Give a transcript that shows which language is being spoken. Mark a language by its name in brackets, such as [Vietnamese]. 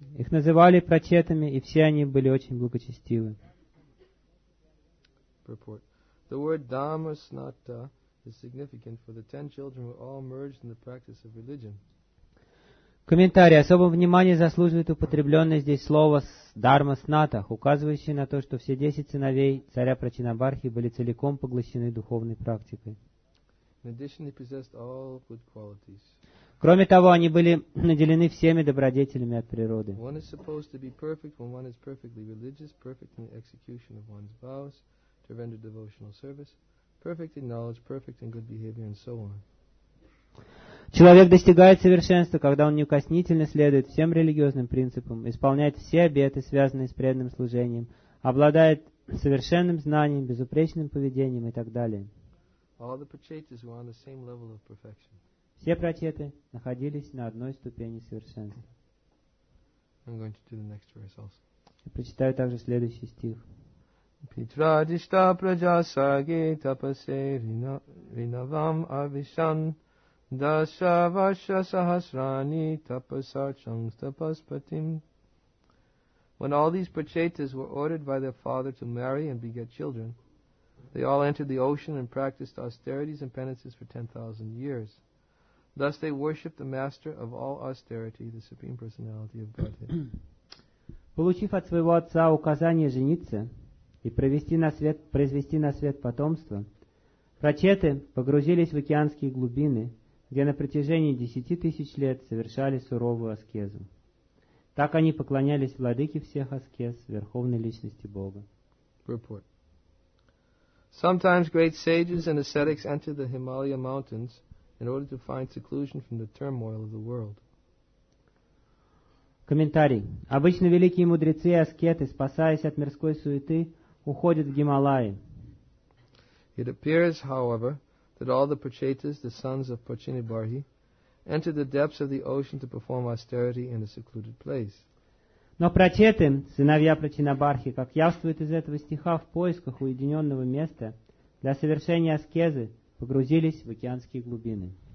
[Russian] Их называли прачетами, и все они были очень благочестивы. [English] Purport. The word Dhammasnata is significant, for the ten children were all merged in the practice of religion. [Russian] Комментарий. Особого внимания заслуживает употребленное здесь слово «дармаснатта», указывающее на то, что все десять сыновей царя Прачинабархи были целиком поглощены духовной практикой. [English] In addition, they possessed all good qualities. [Russian] Кроме того, они были наделены всеми добродетелями от природы. [English] One is supposed to be perfect when one is perfectly religious, perfect in the execution of one's vows, to render devotional service, perfect in knowledge, perfect in good behavior, and so on. [Russian] Человек достигает совершенства, когда он неукоснительно следует всем религиозным принципам, исполняет все обеты, связанные с преданным служением, обладает совершенным знанием, безупречным поведением и так далее. [English] All the prachetas were on the same level of perfection. [Russian] Все прачеты находились на одной ступени совершенства. [English] I'm going to do the next verse also. [Russian] Я прочитаю также следующий стих. [Sanskrit] Питрадишта пража саге тапасе ринавам авишан даша ваша сахасрани тапасарчам тапаспатим. [English] When all these prachetas were ordered by their father to marry and beget children, they all entered the ocean and practiced austerities and penances for 10,000 years. Thus they worshipped the master of all austerity, the Supreme Personality of Godhead. [Russian] Получив от своего отца указание жениться и произвести на свет потомство, прачеты погрузились в океанские глубины, где на протяжении 10,000 лет совершали суровую аскезу. Так они поклонялись владыке всех аскез, верховной личности Бога. [English] Report. Sometimes great sages and ascetics enter the Himalaya mountains in order to find seclusion from the turmoil of the world. [Russian] Комментарий. Обычно великие мудрецы и аскеты, спасаясь от мирской суеты, уходят в Гималаи. [English] It appears, however, that all the Prachetas, the sons of Prachinabarhi, enter the depths of the ocean to perform austerity in a secluded place. [Russian] Но прачеты, сыновья Прачинабархи, как явствует из этого стиха, в поисках уединенного места для совершения аскезы погрузились в океанские глубины.